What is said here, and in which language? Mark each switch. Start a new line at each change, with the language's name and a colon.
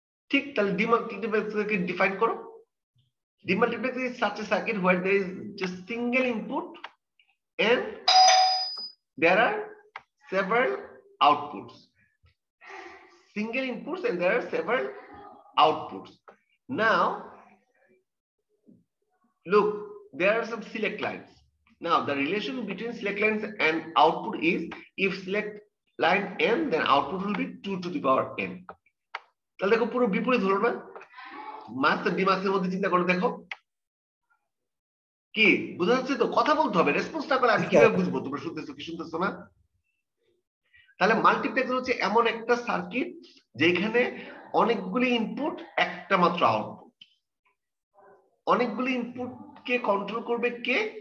Bangla: ঠিক তাহলে ডিমাল্টিপ্লেক্সারকে ডিফাইন করো
English: Demultiplexer is such a circuit where there is just single input and there are several outputs single inputs and there are several outputs Now, look, there are some select lines. Now, the relation between select lines and output is if select line n, then output will be 2 to the power n.
Bangla: তাহলে দেখো পুরো বিপরীত হলো না মাস আর ডিমাসের মধ্যে চিন্তা করে দেখো কি বুঝা যাচ্ছে তো কথা বলতে হবে রেসপন্স না করে আমি কিভাবে বুঝবো তোমরা শুনতেছো কি শুনতেছো না তাহলে মাল্টিপ্লেক্সার হচ্ছে এমন একটা সার্কিট যেখানে অনেকগুলি ইনপুট একটা মাত্র আউটপুট অনেকগুলি ইনপুট কে কন্ট্রোল করবে কে